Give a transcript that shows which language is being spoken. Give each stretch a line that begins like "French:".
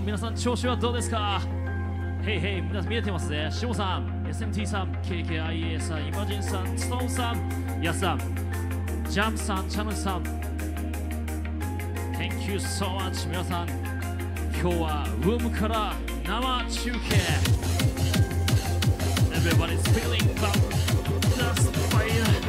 Japanese: 皆さん調子はどうですか？
English: Hey, hey,
Japanese: 皆さん見えてますね。しもさん、SMT さん、KKIA さん、イマジンさん、ストーンさん、ヤスさん、ジャムさん、チャノシさん。
English: Thank you so much,
Japanese: 皆さん。今日はウームから生中継。
English: Everybody's feeling about the fire.